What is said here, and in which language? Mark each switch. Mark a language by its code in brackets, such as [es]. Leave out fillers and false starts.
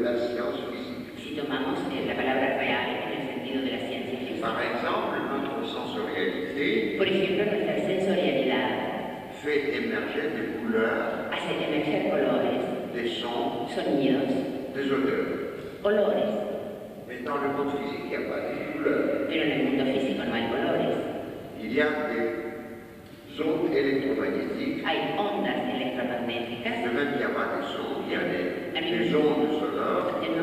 [es] Si tomamos la palabra real en el sentido de la ciencia física. [fr] Par exemple, notre sensorialité. [es] Por ejemplo, nuestra sensorialidad. [fr] Fait émerger des couleurs. [es] Hace emerger colores. [fr] Des sons. [es] Sonidos. [fr] Des odeurs. [es] Olores. [fr] Mais dans le monde physique, il n'y a pas de couleurs. [es] Pero en el mundo físico no hay colores. [fr] Il y a des ondes électromagnétiques. [es] Hay ondas electromagnéticas. [fr] De même, il n'y a pas de sons, il y a des ondes sonores.